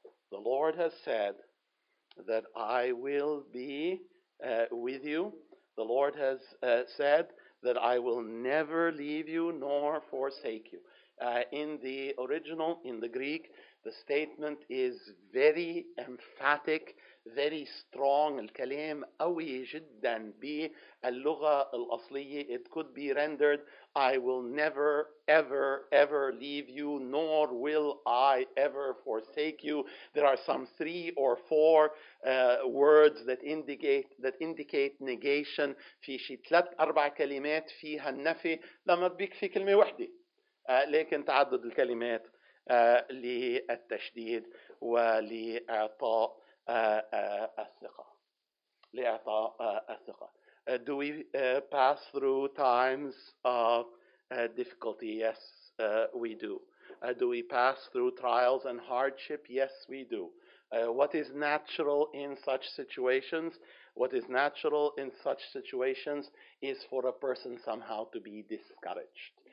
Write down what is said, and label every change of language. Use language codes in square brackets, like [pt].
[en] The Lord has said that I will be with you. The Lord has said that I will never leave you nor forsake you. In the original, in the Greek, the statement is very emphatic, very strong. [ar] الكلام قوي جدا باللغة الأصلية. [en] It could be rendered, I will never, ever, ever leave you, nor will I ever forsake you. There are some three or four words that indicate negation. [ar] في شي ثلاث أربع كلمات فيها النفي. لما بيكفي كلمة واحدة. لكن تعدد الكلمات للتشديد ولإعطاء الثقة. لإعطاء الثقة. [en] Do we pass through times of difficulty? Yes, we do. Do we pass through trials and hardship? Yes, we do. What is natural in such situations? What is natural in such situations is for a person somehow to be discouraged.